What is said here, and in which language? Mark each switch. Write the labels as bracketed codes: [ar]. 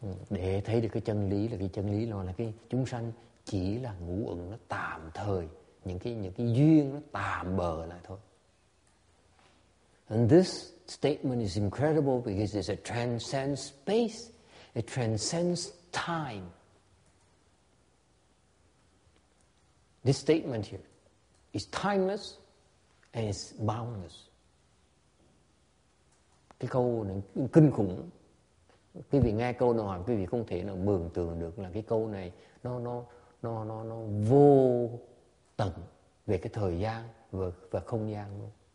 [vi] Để thấy được cái chân lý là cái chân lý là cái chúng sanh chỉ là ngũ uẩn nó tạm thời, những cái duyên nó tạm bờ lại thôi. [en] And this statement is incredible because it transcends space, it transcends time. This statement here is timeless and is boundless. [vi] Cái câu này kinh khủng. Quý vị nghe câu này, quý vị không thể nào mường tượng được là cái câu này nó vô tận về cái thời gian và không gian luôn.